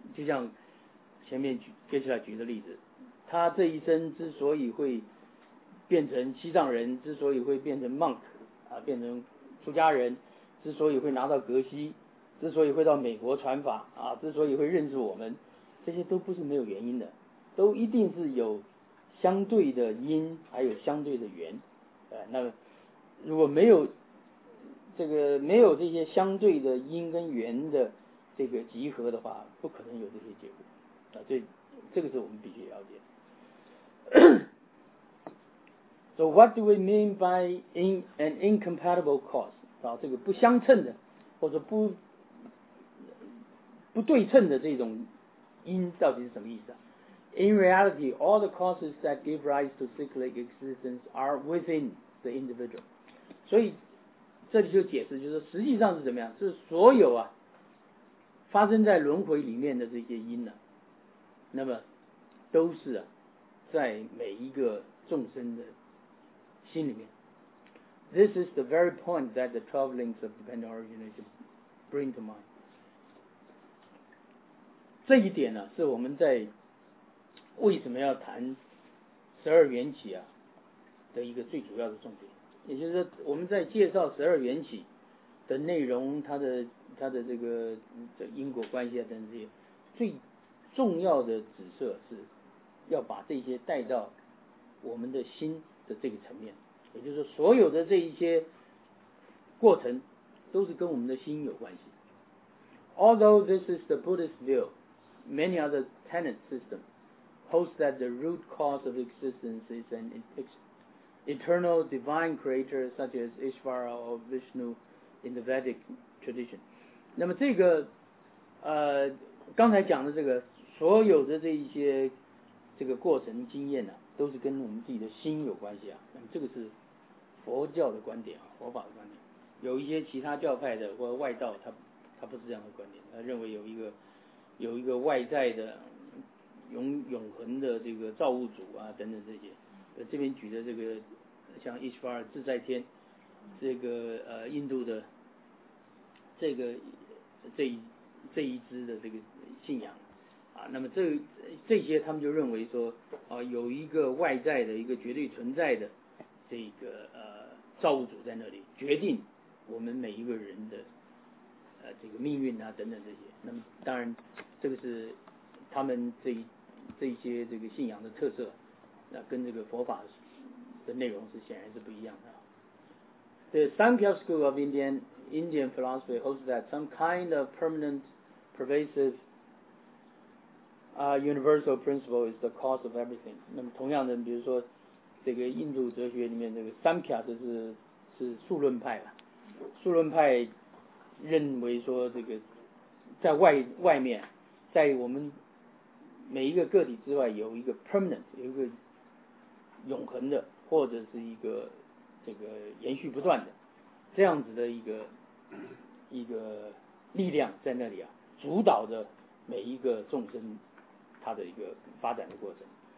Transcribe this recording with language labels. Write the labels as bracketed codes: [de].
[zh] 就像前面接下来举的例子，他这一生之所以会变成西藏人，之所以会变成 monk 啊，变成出家人，之所以会拿到格西，之所以会到美国传法啊，之所以会认识我们，这些都不是没有原因的，都一定是有相对的因，还有相对的缘。那如果没有这个，没有这些相对的因跟缘的这个集合的话，不可能有这些结果。啊，这个是我们必须了解。 [en] So what do we mean by an incompatible cause？ [zh] 啊，这个不相称的，或者不对称的这种因到底是什么意思啊？ [en] In reality, all the causes that give rise to cyclic existence are within the individual. [zh] 所以这里就解释，就是实际上是怎么样，是所有啊发生在轮回里面的这些因呢，那么都是啊在每一个众生的心里面。 [en] This is the very point that the travelings of dependent origination bring to mind. [zh] 这一点呢，是我们在为什么要谈十二缘起啊的一个最主要的重点。也就是我们在介绍十二缘起的内容，它的这个的因果关系啊等等，这些最重要的指涉是要把这些带到我们的心的这个层面。也就是所有的这一些过程都是跟我们的心有关系。 [en] Although this is the Buddhist view, many other tenet systemhold that the root cause of existence is an eternal divine creator such as Ishvara or Vishnu in the Vedic tradition. [zh] 那么这个刚才讲的这个所有的这一些这个过程经验呢，都是跟我们自己的心有关系啊。那么这个是佛教的观点啊，佛法的观点。有一些其他教派的或外道，他不是这样的观点，他认为有一个外在的永恒的这个造物主啊等等，这些这边举的这个像 Ishvara 自在天，这个印度的这个这一支的这个信仰啊，那么这些他们就认为说啊，有一个外在的一个绝对存在的这个造物主在那里决定我们每一个人的这个命运啊等等这些。那么当然这个是他们这些这个信仰的特色，那跟这个佛法的内容是显然是不一样的。 [en] The Sankhya school of Indian philosophy holds that some kind of permanent, pervasive, universal principle is the cause of everything. [zh] 那么同样的，比如说这个印度哲学里面这个 Sankhya 是数论派了，数论派认为说这个在外面，在我们每一个个体之外有一个 permanent， 有一个永恒的，或者是一个这个延续不断的这样子的一个力量在那里啊，主导着每一个众生它的一个发展的过程。